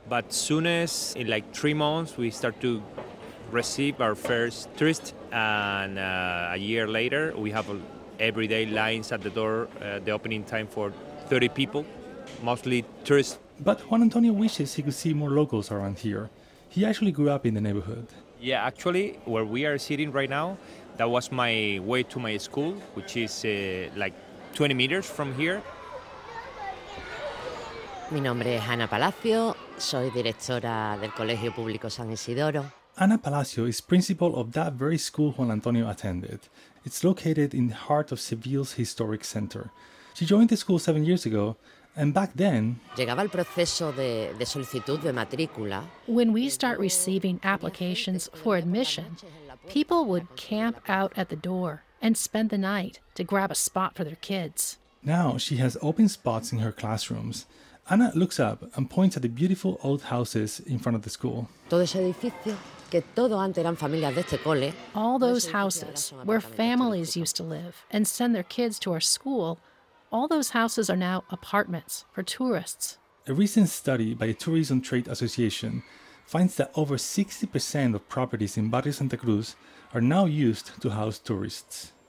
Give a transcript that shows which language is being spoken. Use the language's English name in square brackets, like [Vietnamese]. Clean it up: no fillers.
[English] But soon as, in like 3 months, we start to receive our first tourist, and a year later, we have every day lines at the door, the opening time for 30 people, mostly tourists. But Juan Antonio wishes he could see more locals around here. He actually grew up in the neighborhood. Yeah, actually, where we are sitting right now, that was my way to my school, which is like 20 meters from here. [Spanish] Mi nombre es Ana Palacio, soy directora del Colegio Público San Isidoro. [English] Ana Palacio is principal of that very school Juan Antonio attended. It's located in the heart of Seville's historic center. She joined the school 7 years ago, and back then... [Spanish] Llegaba el proceso de solicitud de matrícula. [English] When we start receiving applications for admission, people would camp out at the door and spend the night to grab a spot for their kids. Now she has open spots in her classrooms. Ana looks up and points at the beautiful old houses in front of the school. [Spanish] Todo ese edificio, que todo antes eran familias de este cole. [English] All those houses where families used to live and send their kids to our school, all those houses are now apartments for tourists. A recent study by a tourism trade association finds that over 60% of properties in Barrio Santa Cruz are now used to house tourists.